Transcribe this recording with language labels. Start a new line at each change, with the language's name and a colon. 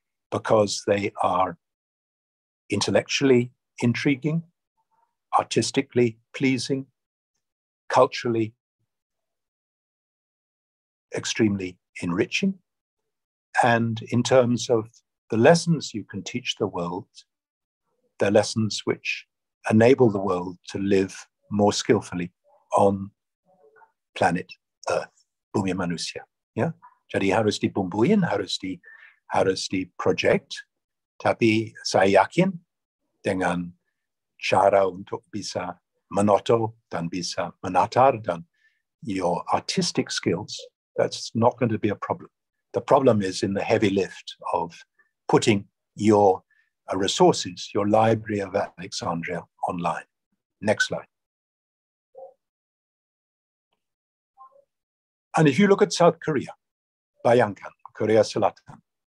English: because they are intellectually intriguing, artistically pleasing, culturally extremely enriching, and in terms of the lessons you can teach the world, the lessons which enable the world to live more skillfully on planet Earth,
Indonesian: bumi manusia. Yeah, jadi harus dibumbuin, harus diproject. Tapi saya yakin dengan cara untuk bisa menoto dan bisa menatar dan
English: your artistic skills, that's not going to be a problem. The problem is in the heavy lift of putting your resources, your library of Alexandria online. Next slide. And if you look at South Korea,
Indonesian: bayangkan, Korea Selatan.